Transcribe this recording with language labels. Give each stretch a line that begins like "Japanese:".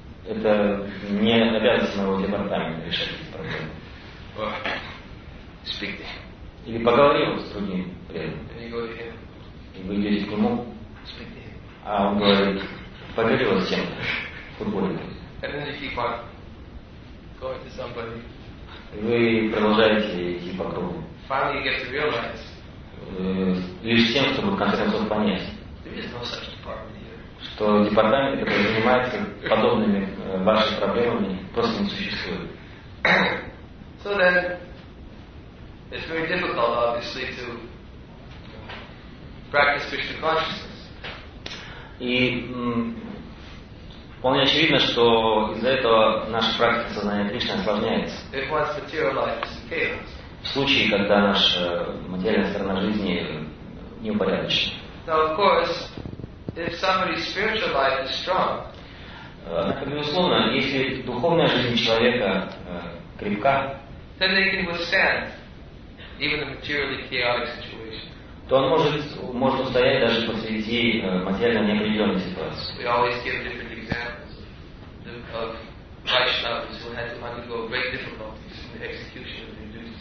Russian: Это не обязанность моего департамента решать эти проблемы.
English: Speak to him.
Russian: Или поговорил с другим преданным.
English: And you go to him.
Russian: И вы идете к нему.
English: Speak to him.
Russian: А он говорит: «Поговорил с кем-то, футбольным».
English: And then you keep on going to somebody.
Russian: Вы продолжаете идти по кругу.
English: Finally, you get to realize.
Russian: Лишь тем, чтобы в конце концов понять,
English: there is no such department here.
Russian: Что департамент, который занимается подобными вашими проблемами, просто не существует.
English: So then, it's very difficult, obviously, to practice Krishna consciousness.
Russian: И вполне очевидно, что из-за этого наша практика сознания Кришны осложняется.
English: If one's material life is chaos.
Russian: В случае, когда наша материальная сторона жизни неупорядочена.
English: Now, of course, if somebody's spiritual life is strong.
Russian: Безусловно, если духовная жизнь человека крепка,
English: then they can withstand even a materially chaotic situation.
Russian: То он может устоять даже посреди материально неопределенной ситуации.
English: We always give different examples of Vaishnavas who had to undergo great difficulties in the execution of their